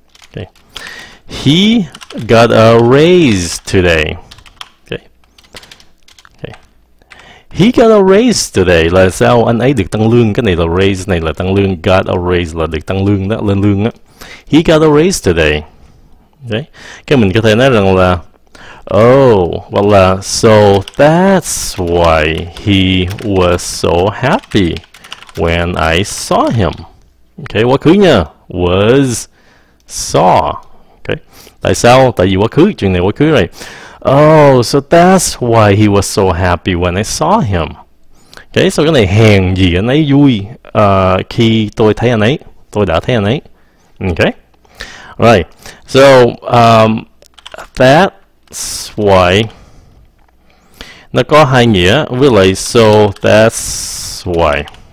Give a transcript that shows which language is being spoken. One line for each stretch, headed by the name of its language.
English: Okay. He got a raise today. Okay. Okay. He got a raise today.
Vietnamese: Là sao anh ấy được tăng lương? Cái này là raise, này là tăng lương. Got a raise là được tăng lương đó, lên lương đó.
English: He got a raise today. Okay.
Vietnamese: Cái mình có thể nói rằng là
English: oh, well, so that's why he was so happy when I saw him.
Vietnamese: Okay, quá khứ nha. Was, saw. Okay, tại sao? Tại vì quá khứ, chuyện này quá khứ rồi.
English: Oh, so that's why he was so happy when I saw him.
Vietnamese: Okay, so cái này hèn gì anh ấy vui khi tôi thấy anh ấy, tôi đã thấy anh ấy. Okay, right, so that why nó có hai nghĩa với lại so that's why.